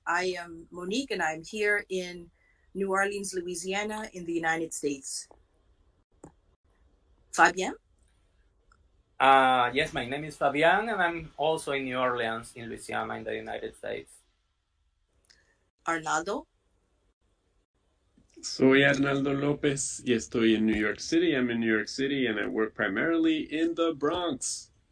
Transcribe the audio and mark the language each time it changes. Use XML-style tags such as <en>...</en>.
<en>I am Monique, and I'm here in New Orleans, Louisiana, in the United States. Fabian? Yes, my name is Fabian, and I'm also in New Orleans, in Louisiana, in the United States. Arnaldo?</en> <es>Soy Arnaldo López, y estoy en New York City.</es> <en>I'm in New York City, and I work primarily in the Bronx.</en>